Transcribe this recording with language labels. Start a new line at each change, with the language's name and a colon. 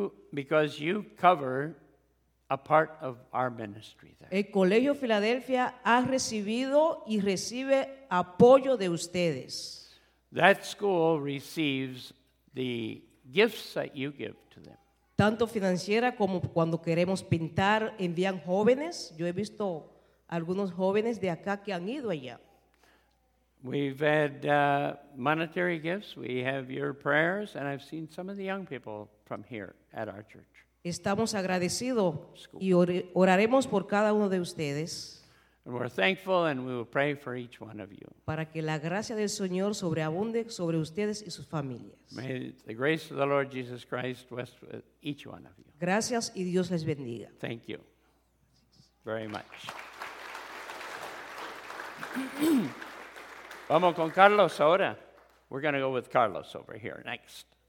English: Because you cover a part of our ministry there.
Spanish: El Colegio Filadelfia ha recibido y recibe apoyo de ustedes.
English: That school receives the gifts that you give to them.
Spanish: Tanto financiera como cuando queremos pintar, envían jóvenes. Yo he visto algunos jóvenes de acá que han ido allá.
English: We've had monetary gifts. We have your prayers. And I've seen some of the young people from here at our church.
Spanish: Estamos agradecidos y oraremos por cada uno de ustedes.
English: And we're thankful and we will pray for each one of you.
Spanish: Para que la gracia del Señor sobreabunde sobre ustedes y sus familias.
English: May the grace of the Lord Jesus Christ rest with each one of you.
Spanish: Gracias y Dios les bendiga.
English: Thank you very much.
Spanish: Vamos con Carlos ahora.
English: We're going to go with Carlos over here next.